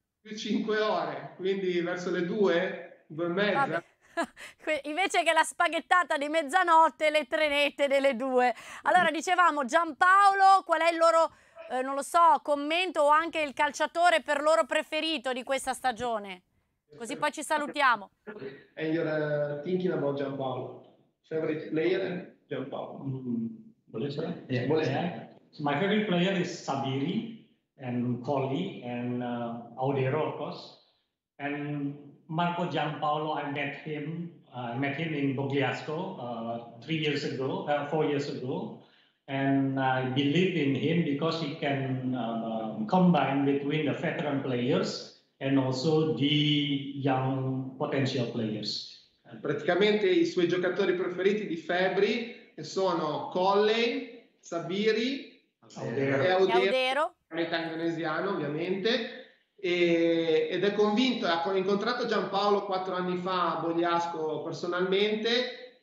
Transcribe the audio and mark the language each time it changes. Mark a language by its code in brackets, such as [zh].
[it] Più 5 ore, quindi verso le 2:30. Vabbè. Invece che la spaghettata di mezzanotte, le trenette delle 2. Allora dicevamo, Giampaolo, qual è il loro, non lo so, commento o anche il calciatore per loro preferito di questa stagione? Così poi ci salutiamo. [en] And you're thinking about Giampaolo. Favorite player, Giampaolo. Mm-hmm. Bolesa? Yeah. Bolesa. My favorite player is Sabiri and Colli and Audero, of course. And Marco Giampaolo, I met him in Bogliasco 4 years ago. And I believe in him because he can combine between the veteran players and also the young potential players. [it] Praticamente i suoi giocatori preferiti di Febri sono Colley, Sabiri e Audero, metà indonesiano ovviamente, ed è convinto, ha incontrato Giampaolo 4 anni fa a Bogliasco personalmente,